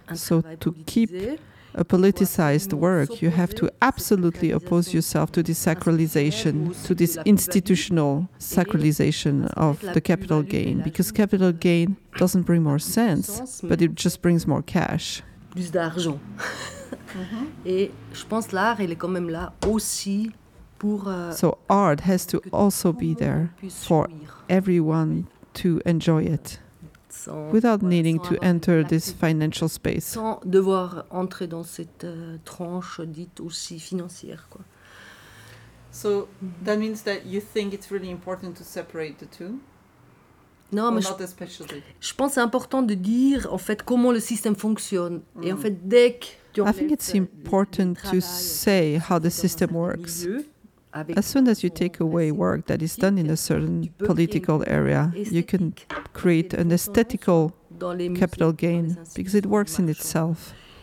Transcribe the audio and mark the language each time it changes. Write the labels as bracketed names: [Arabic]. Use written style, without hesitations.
[English] So to keep a politicized work, you have to absolutely oppose yourself to this sacralization, to this institutional sacralization of the capital gain, because capital gain doesn't bring more sense, but it just brings more cash. [French] Plus d'argent. Et je pense l'art, il est quand même là aussi pour. [English] So art has to also be there for everyone to enjoy it. Without needing to enter this financial space. Sans devoir entrer dans cette tranche dite aussi financière, quoi. So that means that you think it's really important to separate the two? [French] Non, mais [English] not especially. [French] Je pense que c'est important de dire en fait comment le système fonctionne. Et en fait, dès que tu [English] I think it's important to say how the system works. As soon as you take away work that is done in a certain political area, you can create an aesthetical capital gain because it works in itself.